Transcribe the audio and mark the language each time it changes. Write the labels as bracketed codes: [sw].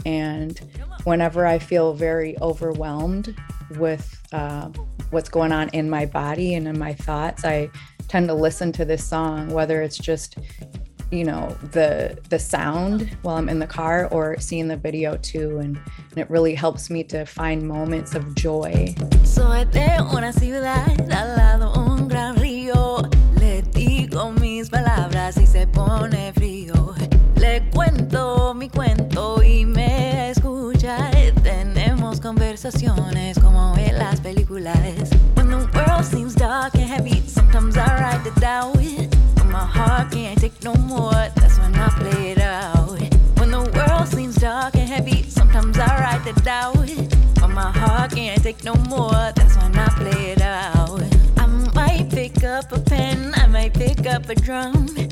[en] And whenever I feel very overwhelmed with what's going on in my body and in my thoughts, I tend to listen to this song, whether it's just, you know, the sound while I'm in the car or seeing the video too. And it really helps me to find moments of joy. [es] Soy de una ciudad al lado un gran río. Le digo mis palabras y se pone frío. Le cuento mi cuento y me escucha. Tenemos conversaciones como en las películas. [en] When the world seems dark and heavy, sometimes I write the doubt. My heart can't take no more, that's when I play it out. When the world seems dark and heavy, sometimes I write the doubt. But my heart can't take no more, that's when I play it out. I might pick up a pen, I might pick up a drum.